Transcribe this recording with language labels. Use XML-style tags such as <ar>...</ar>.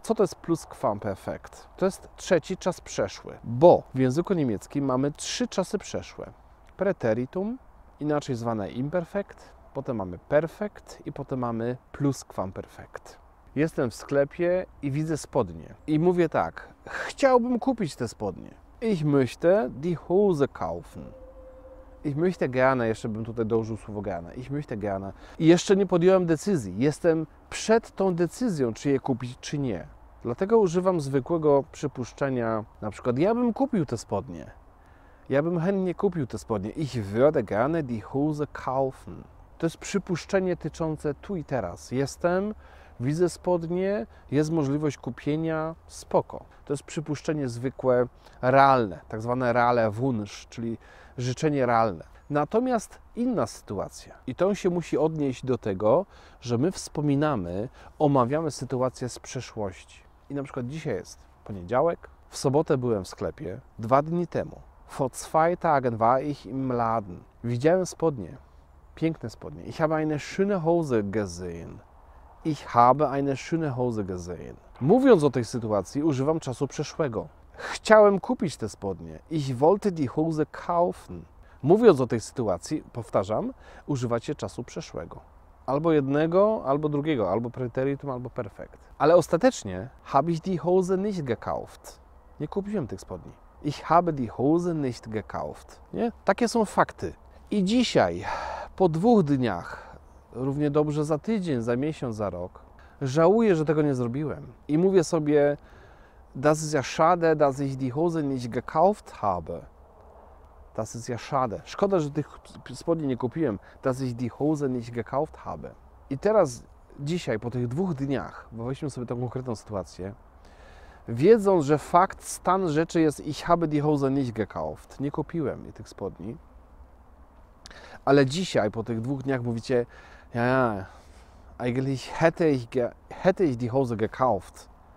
<pl>Co to jest pluskwamperfekt? To jest trzeci czas przeszły, bo w języku niemieckim mamy trzy czasy przeszłe. Preteritum, inaczej zwane imperfekt, potem mamy perfekt i potem mamy pluskwamperfekt. Jestem w sklepie i widzę spodnie. I mówię tak, chciałbym kupić te spodnie.</pl> <de>Ich möchte die Hose kaufen. Ich möchte gerne,</de> <pl>jeszcze bym tutaj dołożył słowo gerne. Ich möchte gerne. I jeszcze nie podjąłem decyzji. Jestem przed tą decyzją, czy je kupić, czy nie. Dlatego używam zwykłego przypuszczenia, na przykład ja bym kupił te spodnie. Ja bym chętnie kupił te spodnie.</pl> <de>Ich würde gerne die Hose kaufen.</de> <pl>To jest przypuszczenie tyczące tu i teraz. Jestem, widzę spodnie, jest możliwość kupienia, spoko. To jest przypuszczenie zwykłe, realne, tak zwane reale wunsch, czyli życzenie realne. Natomiast inna sytuacja, i to się musi odnieść do tego, że my wspominamy, omawiamy sytuację z przeszłości. I na przykład dzisiaj jest poniedziałek, w sobotę byłem w sklepie, dwa dni temu.</pl> <de>Vor zwei Tagen war ich im Laden.</de> <pl>Widziałem spodnie. Piękne spodnie.</pl> <de>Ich habe eine schöne Hose gesehen. Ich habe eine schöne Hose gesehen.</de> <pl>Mówiąc o tej sytuacji, używam czasu przeszłego. Chciałem kupić te spodnie.</pl> <de>Ich wollte die Hose kaufen.</de> <pl>Mówiąc o tej sytuacji, powtarzam, używacie czasu przeszłego. Albo jednego, albo drugiego, albo preteritum, albo perfekt. Ale ostatecznie,</pl> <de>habe ich die Hose nicht gekauft.</de> <pl>Nie kupiłem tych spodni.</pl> <de>Ich habe die Hose nicht gekauft.</de> <pl>Nie? Takie są fakty. I dzisiaj, po dwóch dniach, równie dobrze za tydzień, za miesiąc, za rok, żałuję, że tego nie zrobiłem. I mówię sobie,</pl> <de>das ist ja schade, dass ich die Hose nicht gekauft habe. Das ist ja schade.</de> <pl>Szkoda, że tych spodni nie kupiłem.</pl> <de>Dass ich die Hose nicht gekauft habe.</de> <pl>I teraz, dzisiaj, po tych dwóch dniach, weźmy sobie tą konkretną sytuację, wiedząc, że fakt, stan rzeczy jest,</pl> <de>ich habe die Hose nicht gekauft.</de> <pl>Nie kupiłem i tych spodni. Ale dzisiaj, po tych dwóch dniach, mówicie,</pl> <de>ja, eigentlich hätte ich die Hose gekauft.</de>